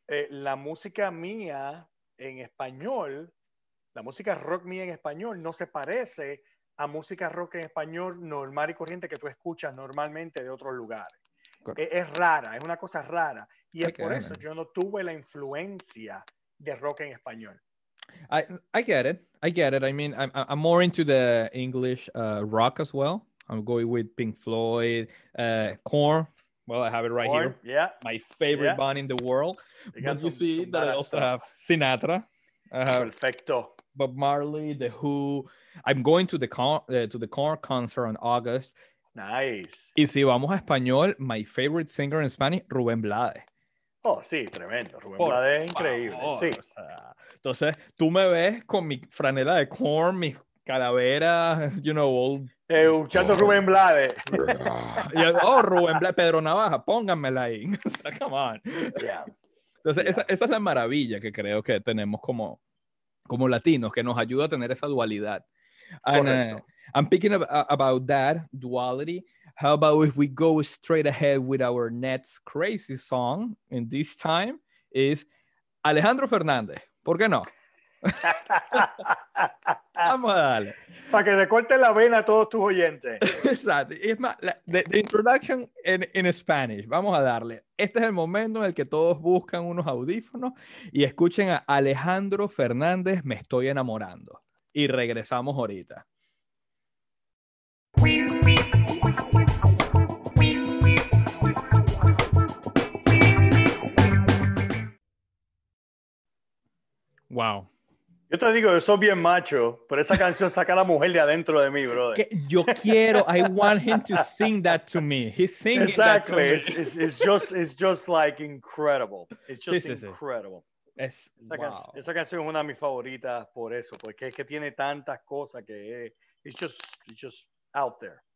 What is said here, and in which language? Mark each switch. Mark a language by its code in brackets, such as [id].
[es] La música mía en español, la música rock mía en español, no se parece a música rock en español normal y corriente que tú escuchas normalmente de otros lugares. Es rara, es una cosa rara. Y es por eso yo no tuve la influencia de rock en español. [en] I get it. I mean, I'm more into the English rock as well. I'm going with Pink Floyd, Korn. Well, I have it right here. Yeah. My favorite band in the world. I also have Sinatra. [es] Perfecto. [en] Bob Marley, The Who. I'm going to the Korn concert in August. Nice. [es] Y si vamos a español, [en] my favorite singer in Spanish, Rubén Blades. [es] Oh, sí, tremendo. Rubén Blades es increíble. Favor. Sí. O sea, entonces, tú me ves con mi franela de Korn, mis calaveras, [en] you know, old. [es] Escuchando Rubén Blades. Rubén Blades, Pedro Navaja, pónganmela ahí. O sea, [en] come on. [es] Esa es la maravilla que creo que tenemos como latinos, que nos ayuda a tener esa dualidad. [en] And, I'm picking up about that duality. How about if we go straight ahead with our next crazy song? And this time is Alejandro Fernández. [es] ¿Por qué no? Vamos a darle. Para que te corte la vena a todos tus oyentes. Exacto. Es más, [en] the introduction in Spanish. [es] Vamos a darle. Este es el momento en el que todos buscan unos audífonos y escuchen a Alejandro Fernández, Me Estoy Enamorando. Y regresamos ahorita. Wow. Yo te digo, yo soy bien macho, pero esa canción saca a la mujer de adentro de mí, brother. ¿Qué? Yo quiero, [en] I want him to sing that to me. He's singing exactly. That to me. It's just like incredible. It's just incredible. [es] Esa canción es una de mis favoritas por eso, porque es que tiene tantas cosas que [en] it's just out there.